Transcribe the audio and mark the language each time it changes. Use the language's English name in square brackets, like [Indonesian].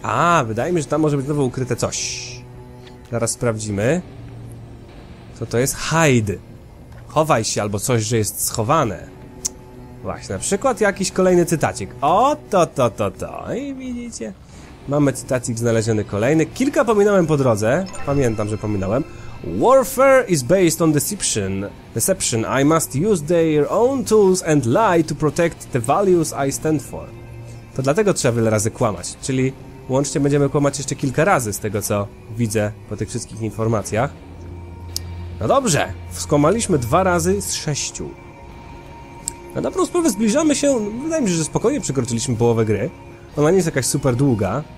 [Polish] A, wydaje mi się, że tam może być znowu ukryte coś. Zaraz sprawdzimy. Co to jest? Hide. Chowaj się, albo coś, że jest schowane. Właśnie, na przykład jakiś kolejny cytacik. O, to. I widzicie? Mamy cytacik znaleziony kolejny. Kilka pominąłem po drodze. Pamiętam, że pominąłem. [English] Warfare is based on deception. I must use their own tools and lie to protect the values I stand for. [Polish] To dlatego trzeba wiele razy kłamać. Czyli łącznie będziemy kłamać jeszcze kilka razy z tego, co widzę po tych wszystkich informacjach. No dobrze. Skłamaliśmy 2 razy z 6. Na dobrą sprawę zbliżamy się. Wydaje mi się, że spokojnie przekroczyliśmy połowę gry. Ona nie jest jakaś super długa.